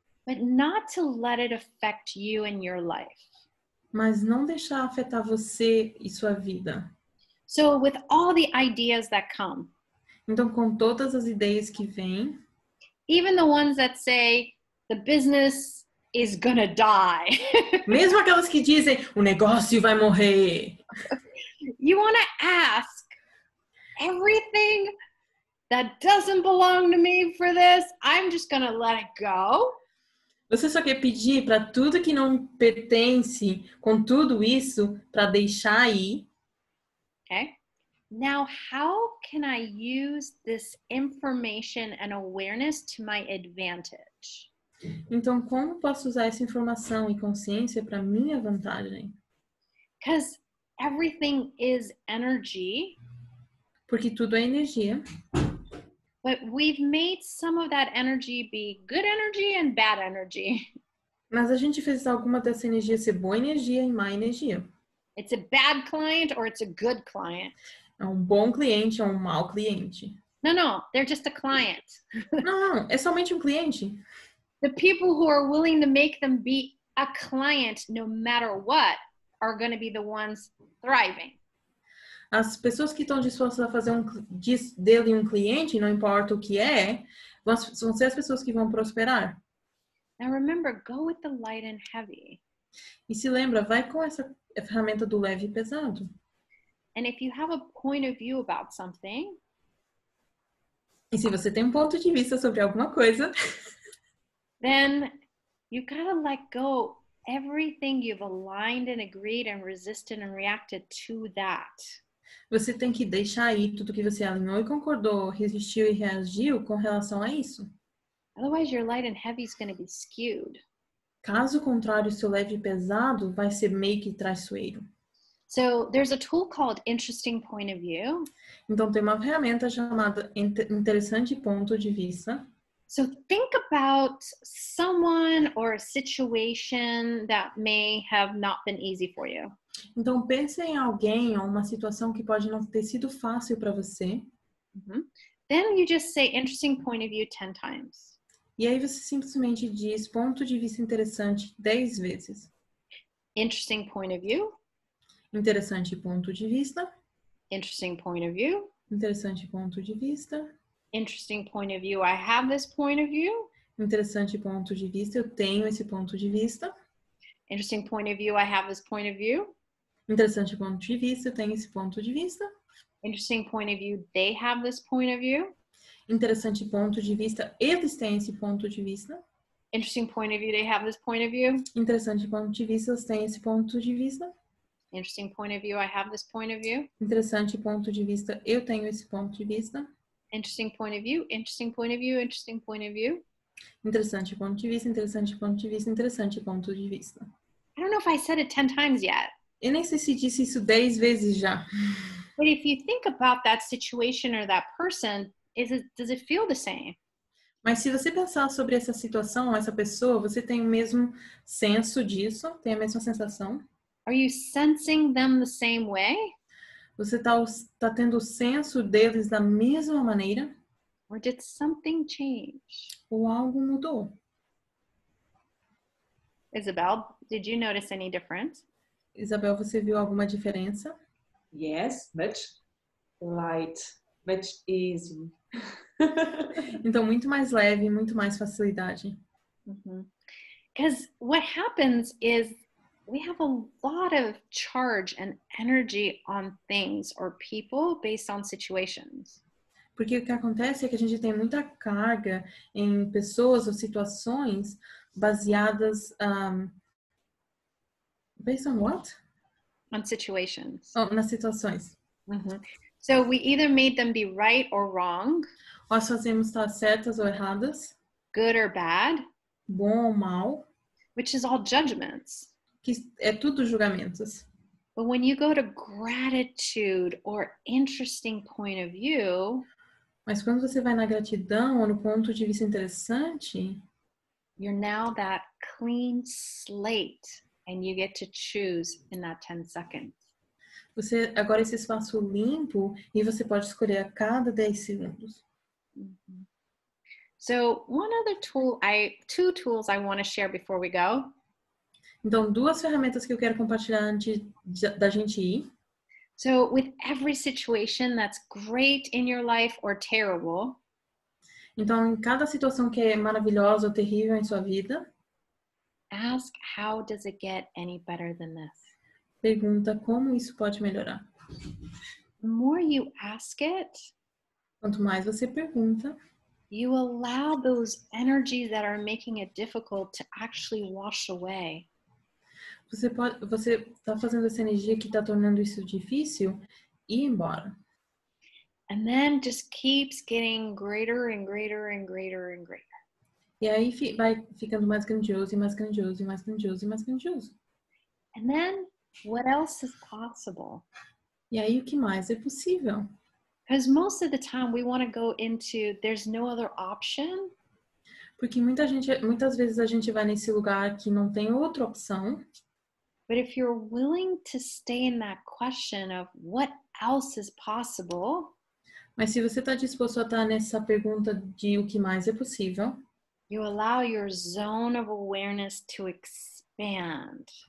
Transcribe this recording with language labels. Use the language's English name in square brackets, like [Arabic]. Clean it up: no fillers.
[English] But not to let it affect you and your life. [Portuguese] Mas não deixar afetar você e sua vida. [English] So with all the ideas that come. [Portuguese] Então com todas as ideias que vêm. [English] Even the ones that say the business is gonna die. [Portuguese] Mesmo aquelas que dizem o negócio vai morrer. [English] You want to ask everything that doesn't belong to me for this, I'm just gonna let it go. [Portuguese] Você só quer pedir para tudo que não pertence, com tudo isso, para deixar aí. [English] Okay. Now, how can I use this information and awareness to my advantage? [Portuguese] Então, como posso usar essa informação e consciência para minha vantagem? [English] Because everything is energy. [Portuguese] Porque tudo é energia. [English] But we've made some of that energy be good energy and bad energy. [Portuguese] Mas a gente fez alguma dessa energia ser boa energia e má energia. [English] It's a bad client or it's a good client. [Portuguese] É um bom cliente ou um mau cliente? [English] No, they're just a client. [Portuguese] Não, é somente um cliente. [English] The people who are willing to make them be a client no matter what are going to be the ones thriving. [Portuguese] As pessoas que estão dispostas a fazer dele um cliente, não importa o que é, vão ser as pessoas que vão prosperar. [English] Now remember, go with the light and heavy. [Portuguese] E se lembra, vai com essa ferramenta do leve e pesado. [English] And if you have a point of view about something, [Portuguese] e se você tem um ponto de vista sobre alguma coisa, [English] then you gotta let go everything you've aligned and agreed and resisted and reacted to that. [Portuguese] Você tem que deixar aí tudo que você alinhou e concordou, resistiu e reagiu com relação a isso. [English] Otherwise, your light and heavy is going to be skewed. [Portuguese] Caso contrário, seu leve e pesado vai ser meio que traiçoeiro. [English] So, there's a tool called interesting point of view. [Portuguese] Então, tem uma ferramenta chamada interessante ponto de vista. [English] So, think about someone or a situation that may have not been easy for you. [Portuguese] Então, pense em alguém ou uma situação que pode não ter sido fácil para você. Uh-huh. [English] Then you just say interesting point of view 10 times. [Portuguese] E aí você simplesmente diz ponto de vista interessante 10 vezes. [English] Interesting point of view. [Portuguese] Interessante ponto de vista. [English] Interesting point of view. [Portuguese] Interessante ponto de vista. [English] Interesting point of view. I have this point of view. [Portuguese] Interessante ponto de vista. Eu tenho esse ponto de vista. [English] Interesting point of view. I have this point of view. [Portuguese] Interessante ponto de vista. Eu tenho esse ponto de vista. [English] Interesting point of view. They have this point of view. [Portuguese] Interessante ponto de vista, eles têm esse ponto de vista. [English] Interesting point of view, they have this point of view. [Portuguese] Interessante ponto de vista, eles têm esse ponto de vista. [English] Interesting point of view, I have this point of view. [Portuguese] Interessante ponto de vista, eu tenho esse ponto de vista. [English] Interesting point of view, interesting point of view, interesting point of view. [Portuguese] Interessante ponto de vista, interessante ponto de vista, interessante ponto de vista. [English] I don't know if I said it 10 times yet. [Portuguese] Eu nem sei se disse isso 10 vezes já. [English] But if you think about that situation or that person, does it feel the same? [Portuguese] Mas se você pensar sobre essa situação, essa pessoa, você tem o mesmo senso disso? Tem a mesma sensação? [English] Are you sensing them the same way? [Portuguese] Você tá tendo o senso deles da mesma maneira? [English] Or did something change? [Portuguese] Ou algo mudou? [English] Isabel, did you notice any difference? [Portuguese] Isabel, você viu alguma diferença? [English] Yes, much light, much easy. [Portuguese] Então, muito mais leve, muito mais facilidade. [English] Because what happens is we have a lot of charge and energy on things or people based on situations. [Portuguese] Porque o que acontece é que a gente tem muita carga em pessoas ou situações baseadas... [English] based on what? On situations. [Portuguese] Oh, nas situações. [English] So we either made them be right or wrong. [Portuguese] Nós fazemos estar certas ou erradas. [English] Good or bad. [Portuguese] Bom ou mal. [English] Which is all judgments. [Portuguese] Que é tudo julgamentos. [English] But when you go to gratitude or interesting point of view. [Portuguese] Mas quando você vai na gratidão ou no ponto de vista interessante. [English] You're now that clean slate and you get to choose in that 10 seconds. [Portuguese] Você agora esse espaço limpo e você pode escolher a cada 10 segundos. [English] So, one other tool, two tools I want to share before we go. [Portuguese] Então, duas ferramentas que eu quero compartilhar antes da gente ir. [English] So, with every situation that's great in your life or terrible. [Portuguese] Então, em cada situação que é maravilhosa ou terrível em sua vida. [English] Ask how does it get any better than this? [Portuguese] Pergunta como isso pode melhorar. [English] The more you ask it, [Portuguese] quanto mais você pergunta, [English] you allow those energies that are making it difficult to actually wash away. [Portuguese] Você está fazendo essa energia que está tornando isso difícil ir embora. [English] And then just keeps getting greater and greater and greater and greater. [Portuguese] E aí vai ficando mais grandioso e mais grandioso e mais grandioso e mais grandioso. [English] And then what else is possible? [Portuguese] E aí, o que mais é possível? [English] Because most of the time we want to go into there's no other option. [Portuguese] Porque muitas vezes a gente vai nesse lugar que não tem outra opção. [English] But if you're willing to stay in that question of what else is possible. [Portuguese] Mas se você está disposto a estar nessa pergunta de o que mais é possível, [English] you allow your zone of awareness to expand.